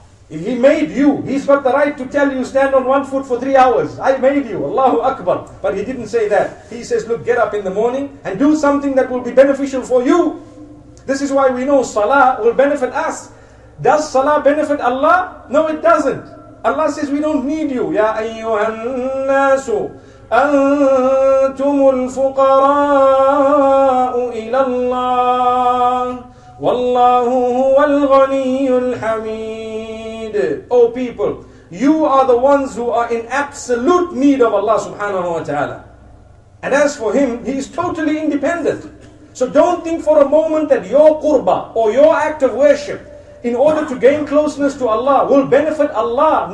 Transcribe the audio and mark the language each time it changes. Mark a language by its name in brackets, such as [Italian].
[English] If He made you, He's got the right to tell you, stand on one foot for 3 hours. I made you, Allahu Akbar. But He didn't say that. He says, look, get up in the morning and do something that will be beneficial for you. This is why we know Salah will benefit us. Does Salah benefit Allah? No, it doesn't. Allah says, we don't need you. [Arabic] Ya أيها الناس أنتم الفقراء إلى الله والله هو الغني الحميد. [English] O people, you are the ones who are in absolute need of Allah subhanahu wa ta'ala. And as for Him, He is totally independent. So don't think for a moment that your qurba or your act of worship in order to gain closeness to Allah will benefit Allah.